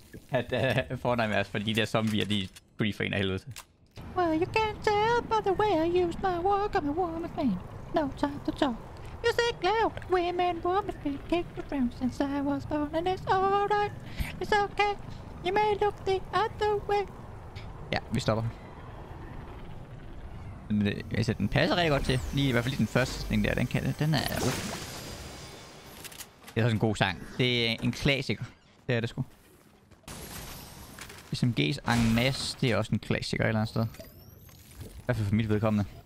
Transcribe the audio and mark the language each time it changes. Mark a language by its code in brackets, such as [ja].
[da] At fornøj med os, fordi de der zombier, de griefer en af helvede. [en] Well, you can't tell by the way I use my walk. I'm a woman's man. No time to talk. Music loud. Women, woman, been kicked around since I was born. And it's alright. It's okay. You may look the other way. [da] Ja, vi stopper. Altså, den passer rigtig godt til. Lige, i hvert fald lige den første sætning der. Den er... Det er også en god sang. Det er en klassiker. Det er det sgu. SMG's en masse, det er også en klassiker et eller andet sted. I hvert fald for mit vedkommende.